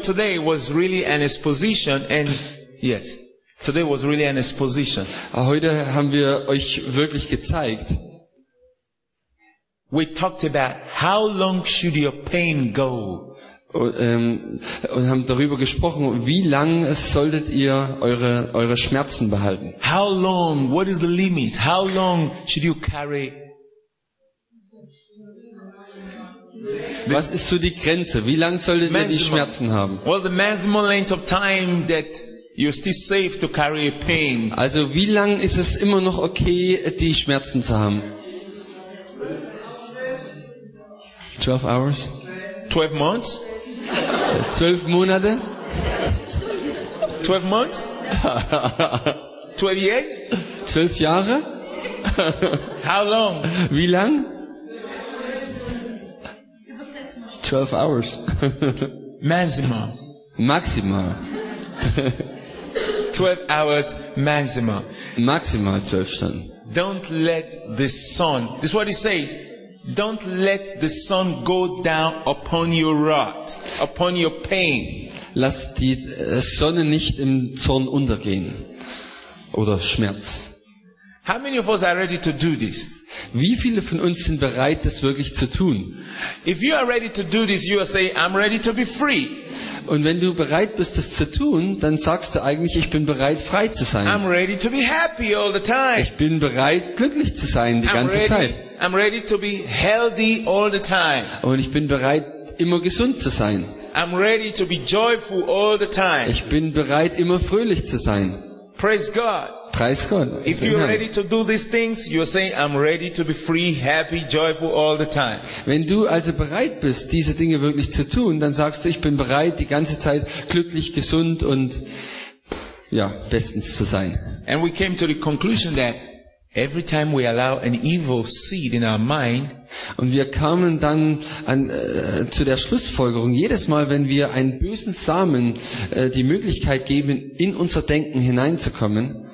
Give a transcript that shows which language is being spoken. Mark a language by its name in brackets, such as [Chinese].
[English] Today was really an exposition, and yes. Today was really an exposition. [German] Heute haben wir euch wirklich gezeigt. [English] We talked about how long should your pain go? [German] Und haben darüber gesprochen, wie lang solltet ihr eure Schmerzen behalten? [English] How long? What is the limit? How long should you carry? [German] Was ist so die Grenze? Wie lang solltet ihr die Schmerzen haben? [English] What's the maximum length of time that you're still safe to carry a pain? [German] Also, wie lang ist es immer noch okay, die Schmerzen zu haben? [English] 12 hours? 12 months? [German] 12 Monate? [English] 12 months? 12 years? [German] 12 Jahre? [English] How long? [German] Wie lang? [English] 12 hours. Maximum. [German] Maximal. [English] 12 hours maximum. [German] Maximal 12 Stunden. [English] Don't let the sun, this is what he says, don't let the sun go down upon your wrath, upon your pain. [German] Lass die Sonne nicht im Zorn untergehen oder Schmerz. [English] How many of us are ready to do this? [German] Wie viele von uns sind bereit, das wirklich zu tun? [English] If you are ready to do this, you are saying, I'm ready to be free. [German] Und wenn du bereit bist, das zu tun, dann sagst du eigentlich, ich bin bereit, frei zu sein. [English] I'm ready to be happy all the time. [German] Ich bin bereit, glücklich zu sein die ganze Zeit. [English] I'm ready to be healthy all the time. [German] Und ich bin bereit, immer gesund zu sein. [English] I'm ready to be joyful all the time. [German] Ich bin bereit, immer fröhlich zu sein. [English] Praise God. [German] Preis Gott. [English] If you are ready to do these things, you are saying, I'm ready to be free, happy, joyful all the time. [German] Wenn du also bereit bist, diese Dinge wirklich zu tun, dann sagst du, ich bin bereit, die ganze Zeit glücklich, gesund und ja, bestens zu sein. [English] And we came to the conclusion that every time we allow an evil seed in our mind, [German] und wir kamen dann an, zu der Schlussfolgerung, jedes Mal, wenn wir einen bösen Samen die Möglichkeit geben, in unser Denken hineinzukommen,